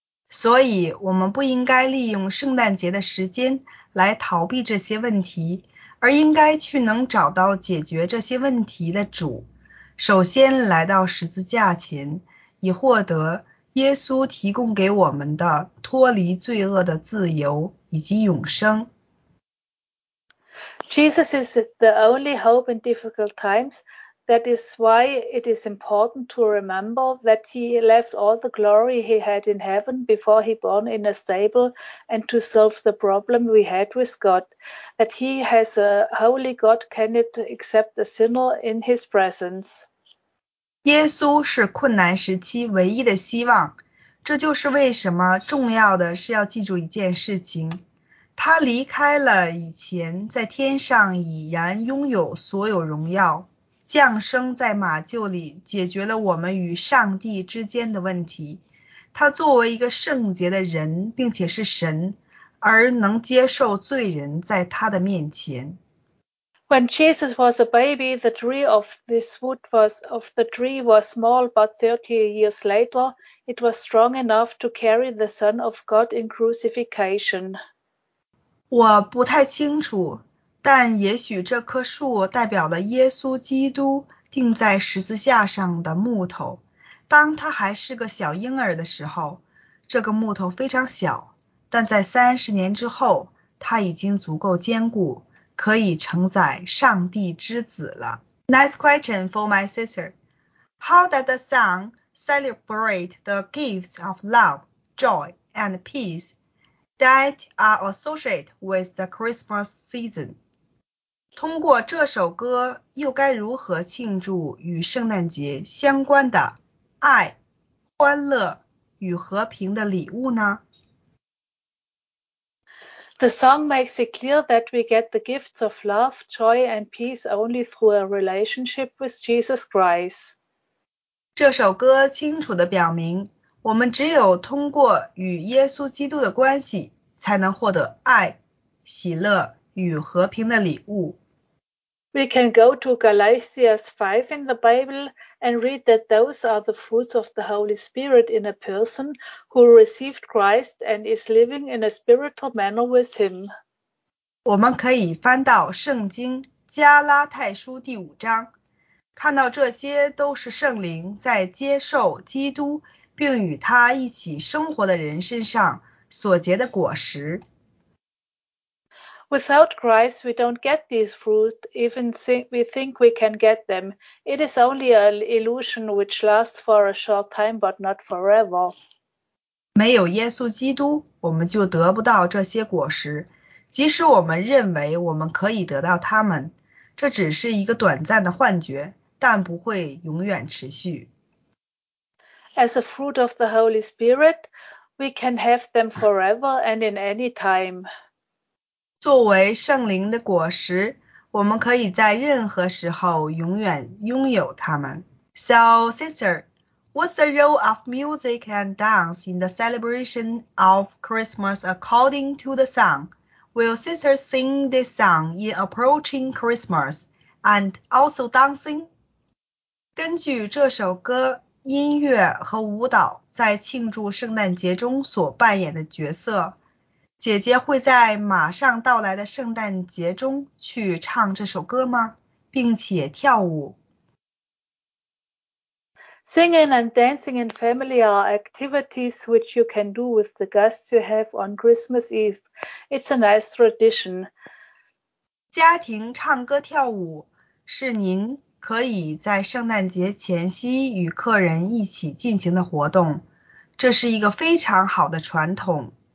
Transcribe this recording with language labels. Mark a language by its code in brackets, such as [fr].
[zh] 所以我们不应该利用圣诞节的时间来逃避这些问题。而应该去能找到解决这些问题的主，首先来到十字架前，以获得耶稣提供给我们的脱离罪恶的自由以及永生。 [en] Jesus is the only hope in difficult times. That is why it is important to remember that he left all the glory he had in heaven before he born in a stable and to solve the problem we had with God. That he has a holy God cannot accept a sinner in his presence. [zh] 耶稣是困难时期唯一的希望。这就是为什么重要的是要记住一件事情。他离开了以前在天上已然拥有所有荣耀。降生在马厩里解决了我们与上帝之间的问题。他作为一个圣洁的人，并且是神，而能接受罪人在他的面前。 [en] When Jesus was a baby, the tree of this wood was of the tree was small, but 30 years later, it was strong enough to carry the Son of God in crucifixion. [zh] 我不太清楚。但也许这棵树代表了耶稣基督钉在十字架上的木头。当他还是个小婴儿的时候，这个木头非常小，但在30年之后，它已经足够坚固，可以承载上帝之子了。 [en] Nice question for my sister. How does the sun celebrate the gifts of love, joy, and peace that are associated with the Christmas season? [zh] 通过这首歌又该如何庆祝与圣诞节相关的爱、欢乐与和平的礼物呢？ [en] The song makes it clear that we get the gifts of love, joy and peace only through a relationship with Jesus Christ. [zh] 这首歌清楚地表明，我们只有通过与耶稣基督的关系，才能获得爱、喜乐与和平的礼物。 [en] We can go to Galatians 5 in the Bible and read that those are the fruits of the Holy Spirit in a person who received Christ and is living in a spiritual manner with him. [zh] 我们可以翻到圣经加拉太书第五章，看到这些都是圣灵在接受基督并与他一起生活的人身上所结的果实。 [en] Without Christ, we don't get these fruits, even we think we can get them. It is only an illusion which lasts for a short time, but not forever. [zh] 没有耶稣基督，我们就得不到这些果实。即使我们认为我们可以得到他们，这只是一个短暂的幻觉，但不会永远持续。 [en] As a fruit of the Holy Spirit, we can have them forever and in any time. [zh] 作为圣灵的果实，我们可以在任何时候永远拥有它们。 [en] So, sister, what's the role of music and dance in the celebration of Christmas according to the song? Will sister sing this song in approaching Christmas and also dancing? [zh] 根据这首歌音乐和舞蹈在庆祝圣诞节中所扮演的角色，姐姐会在马上到来的圣诞节中去唱这首歌吗？并且跳舞。 [en] Singing and dancing in family are activities which you can do with the guests you have on Christmas Eve. It's a nice tradition. [zh] 家庭唱歌跳舞是您可以在圣诞节前夕与客人一起进行的活动，这是一个非常好的传统。